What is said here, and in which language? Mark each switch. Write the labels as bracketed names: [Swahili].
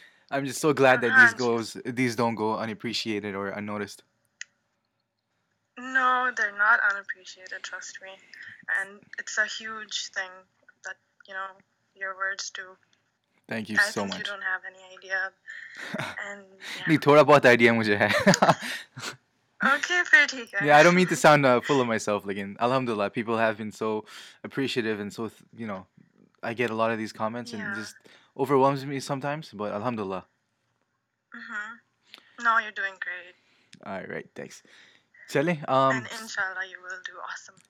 [English] I'm just so glad that these don't go unappreciated or unnoticed. No, they're not unappreciated, trust me. And it's a huge thing that, you know, your words do. Thank you so much. I think you don't have any idea. And yeah. [Urdu] नहीं थोड़ा बहुत idea मुझे है. Okay, फिर ठीक है. [English] Yeah, I don't mean to sound full of myself. Like, alhamdulillah, people have been so appreciative and so, you know, I get a lot of these comments and just overwhelms me sometimes. But alhamdulillah. Mm-hmm. No, you're doing great. All right, thanks. Chale. And inshallah, you will do awesome.